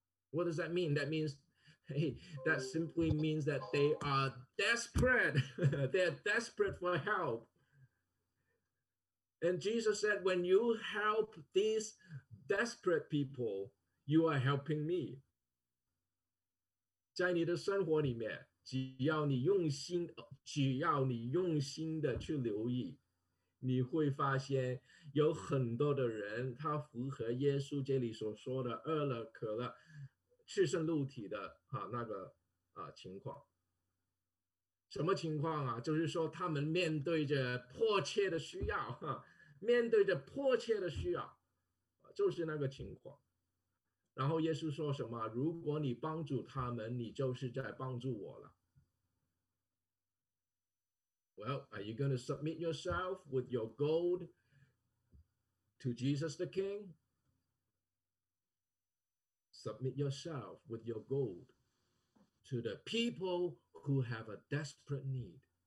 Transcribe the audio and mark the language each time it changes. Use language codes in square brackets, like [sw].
[en] What does that mean? That means, hey, that simply means that they are desperate. They're desperate for help. And Jesus said, when you help these desperate people, you are helping me. [zh] 在你的生活里面，只要你用心的去留意，你会发现有很多的人，他符合耶稣这里所说的饿了、渴了、赤身露体的啊那个啊情况。什么情况啊？就是说他们面对着迫切的需要，面对着迫切的需要，就是那个情况。然后耶稣说什么？如果你帮助他们，你就是在帮助我了。 [en] Well, are you going to submit yourself with your gold to Jesus the King? Submit yourself with your gold to the people who have a desperate need.